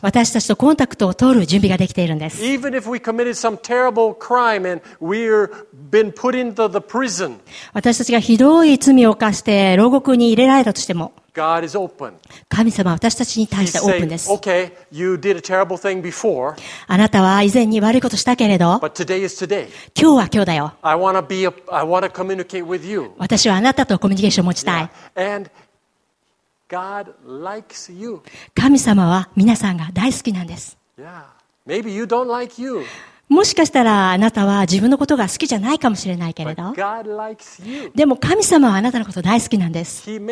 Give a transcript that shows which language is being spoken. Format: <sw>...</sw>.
<ja>私たちとコンタクトを取る準備ができているんです。</ja> <en>Even if we committed some terrible crime and we'reBeen put into the prison.</en> <ja>私たちがひどい罪を犯して牢獄に入れられたとしても、</ja> <en>God is open.</en> <ja>神様は私たちに対してオープンです。</ja> <en>Okay, you did a terrible thing before.</en> <ja>あなたは以前に悪いことしたけれど、</ja> <en>But today is today.</en> <ja>今日は今日だよ。</ja> <en>I want to communicate with you.</en> <ja>私はあなたとコミュニケーションを持ちたい。</ja> <en>Yeah. And God likes you.</en> <ja>神様は皆さんが大好きなんです。</ja> <en>Yeah, maybe you don't like you.</en> <ja>もしかしたらあなたは自分のことが好きじゃないかもしれないけれど、でも神様はあなたのこと大好きなんです。</ja>